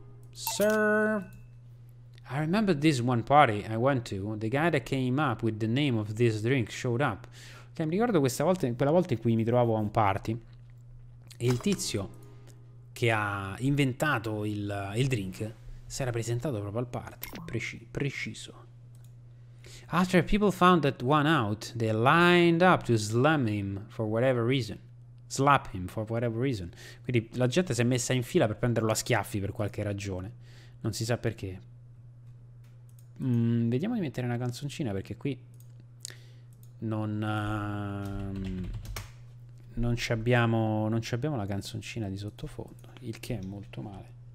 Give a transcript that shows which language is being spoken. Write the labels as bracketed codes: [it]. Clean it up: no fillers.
[en] Sir, I remember this one party I went to, the guy that came up with the name of this drink showed up. [it] Ok, mi ricordo questa volta, quella volta in cui mi trovavo a un party e il tizio che ha inventato il drink si era presentato proprio al party, preciso. [en] After people found that one out, they lined up to slam him for whatever reason. Slap him for whatever reason. [it] Quindi la gente si è messa in fila per prenderlo a schiaffi per qualche ragione, non si sa perché. Vediamo di mettere una canzoncina, perché qui non ci abbiamo la canzoncina di sottofondo, il che è molto male.